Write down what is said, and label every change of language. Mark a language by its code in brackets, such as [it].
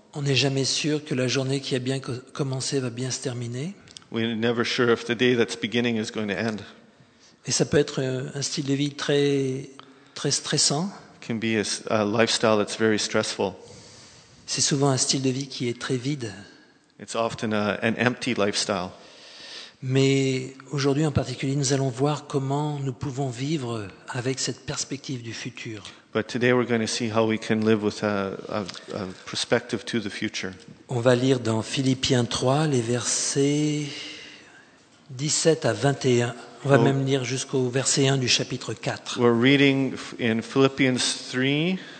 [fr] On n'est jamais sûr que la journée qui a bien commencé va bien se terminer. [en] We're never sure if the day that's beginning is going to end. [fr] Et ça peut être un style de vie très très stressant. [en] Can be a lifestyle that's very stressful. [fr] C'est souvent un style de vie qui est très vide. [en] It's often an empty lifestyle. [fr] Mais aujourd'hui en particulier, nous allons voir comment nous pouvons vivre avec cette perspective du futur. [en] But today we're going to see how we can live with a perspective to the future. [fr] On va lire dans Philippiens 3 les versets 17 à 21. On va même lire jusqu'au verset 1 du chapitre 4. [en] We're reading in Philippians 3